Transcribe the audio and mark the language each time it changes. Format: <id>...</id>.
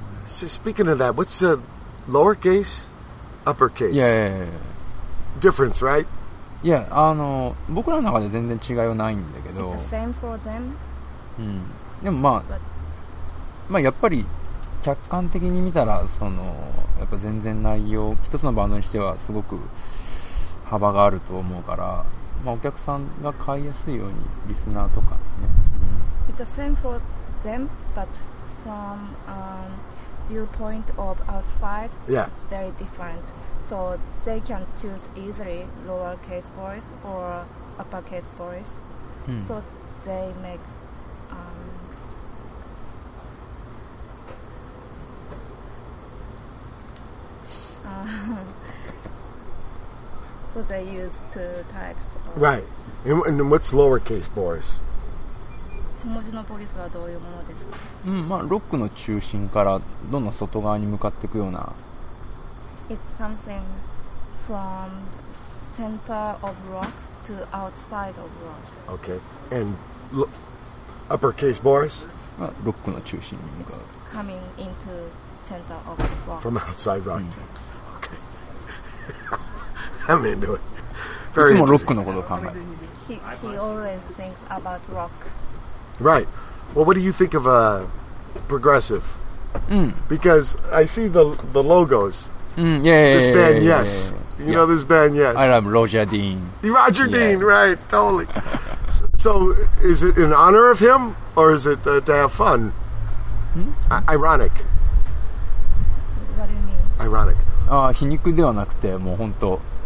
<en>So speaking of that, what's the lowercase, uppercase? Yeah. Difference, right? Yeah.</en> <ja>僕らの中で全然違いはないんだけど。</ja> <en>It's the same for them.</en> <ja>でもまあ、まあやっぱり。客観的に見たらそのやっぱ全然内容一つのバンドにしてはすごく幅があると思うから、まあ、お客さんが買いやすいようにリスナーとかね。</ja> <en>It's the same for them, but from viewpoint of outside, it's very different. So they can choose easily lowercase boris or uppercase boris. So they make. So they use two types of right. And what's lowercase boris?</en> <ja>小文字のボリスはどういうものですか？まあロックの中心からどんどん外側に向かっていくような。</ja> <en>It's something from center of rock to outside of rock. Okay. And uppercase boris?</en> <ja>まあロックの中心に向かう。</ja> <en>It's coming into center of rock. From outside rock. I'm into it. Very much rock</en> <ja>のことを考え。</ja> <en>He always thinks about rock. Right. Well, what do you think of a progressive? Because I see the logos. This band, yes. know this band, yes. I love Roger Dean. Roger Dean, right? Totally. So, is it in honor of him or is it to have fun? Ironic. What do you mean? Ironic.</en> <ja>皮肉ではなくてもう本当</ja>